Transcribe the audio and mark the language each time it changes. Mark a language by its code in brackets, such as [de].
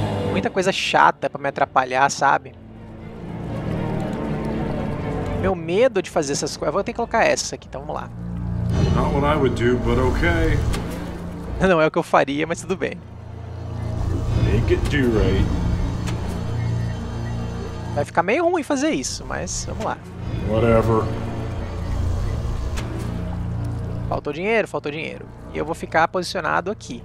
[pt] Muita coisa chata pra me atrapalhar, sabe? Meu medo de fazer essas coisas. Vou ter que colocar essa aqui, então vamos lá. [en] Not what I would do, but okay. [pt] Não é o que eu faria, mas tudo bem. [en] Make it do right. [pt] Vai ficar meio ruim fazer isso, mas vamos lá. [en] Whatever. [pt] Faltou dinheiro, faltou dinheiro. E eu vou ficar posicionado aqui.